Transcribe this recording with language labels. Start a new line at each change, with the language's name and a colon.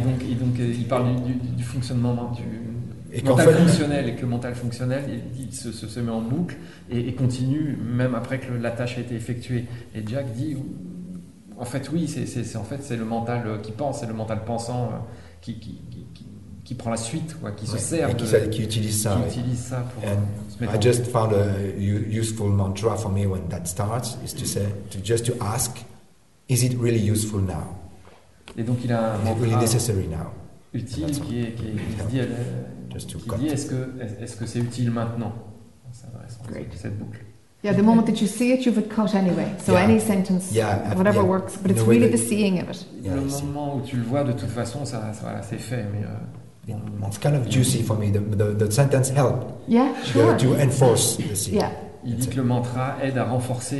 French: Et donc il parle du fonctionnement du mental fonctionnel, et que le mental fonctionnel il se met en boucle et continue même après que la tâche a été effectuée. Et Jack dit, en fait oui, c'est le mental qui pense, c'est le mental pensant qui prend la suite, quoi, qui utilise ça pour...
English: I just found a useful mantra for me when that starts, is to say, to ask, is it really useful now?
French: Et donc il a un
English: is it really necessary now?
French: Utile, qui dit, est-ce que c'est utile maintenant?
English: Great.
French: Cette boucle.
English: Yeah, the moment that you see it, you've cut anyway. So any sentence, whatever works, but it's really the seeing of it.
French: Yeah, le moment où tu le vois, de toute façon, ça c'est fait, mais...
English: It's kind of juicy for me. The sentence helped. Yeah, sure. To enforce the scene. Yeah.
French: Il dit que le mantra aide à renforcer